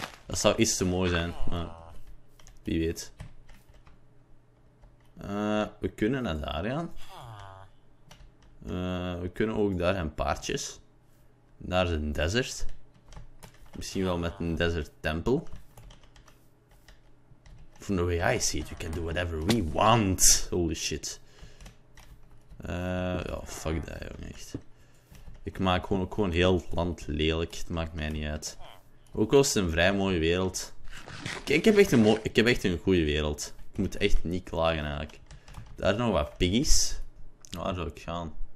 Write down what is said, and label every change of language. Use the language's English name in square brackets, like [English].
[Dutch] Dat zou iets te mooi zijn, maar wie weet. We kunnen naar daar gaan. We kunnen ook daar zijn paardjes. Daar is een desert. Misschien wel met een desert temple. [English] From the way I see it, we can do whatever we want. Holy shit. [Dutch] Oh, fuck dat, jongen, echt. Ik maak gewoon ook gewoon heel het land lelijk. Het maakt mij niet uit. Ook al is het een vrij mooie wereld. Ik heb echt een mooi, ik heb echt een goede wereld. Ik moet echt niet klagen eigenlijk. Daar nog wat piggies. Waar zou ik gaan?